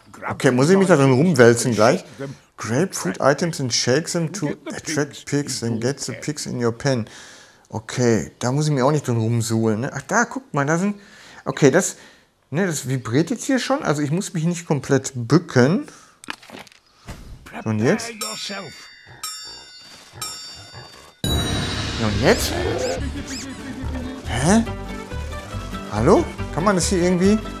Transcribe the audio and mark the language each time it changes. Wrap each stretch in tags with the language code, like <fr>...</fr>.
<de>Okay, muss ich mich da drin rumwälzen gleich?</de> <en>Grapefruit items and shake them to attract pigs and get the pigs in your pen.</en> <de>Okay, da muss ich mir auch nicht drin rumsuhlen. Ne? Ach, da, guck mal, da sind... Okay, das, ne, das vibriert jetzt hier schon. Also ich muss mich nicht komplett bücken. Und jetzt? Und jetzt? Hä? Hallo? Kann man das hier irgendwie...</de>